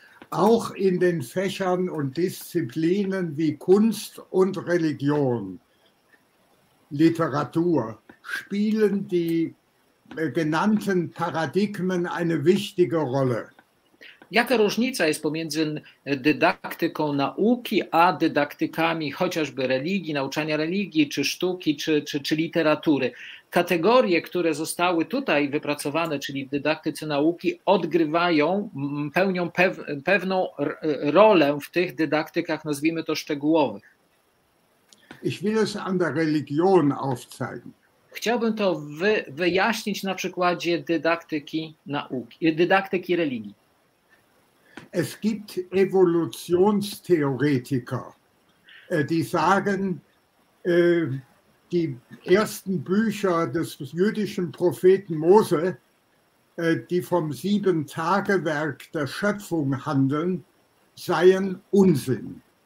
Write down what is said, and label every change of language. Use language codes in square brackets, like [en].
[de] Auch in den Fächern und Disziplinen wie Kunst und Religion, Literatur, spielen die genannten Paradigmen eine wichtige Rolle. [pl] Jaka różnica jest pomiędzy dydaktyką nauki, a dydaktykami chociażby religii, nauczania religii, czy sztuki, czy literatury? Kategorie, które zostały tutaj wypracowane, czyli w dydaktyce nauki, odgrywają, pełnią pewną rolę w tych dydaktykach, nazwijmy to szczegółowych. [de] Ich will es an der Religion aufzeigen. [pl] Chciałbym to wyjaśnić na przykładzie dydaktyki nauki, dydaktyki religii. [de] Es gibt Evolutionstheoretiker, die sagen, die ersten Bücher des jüdischen Propheten Mose, die vom Sieben-Tage-Werk der Schöpfung handeln, seien Unsinn.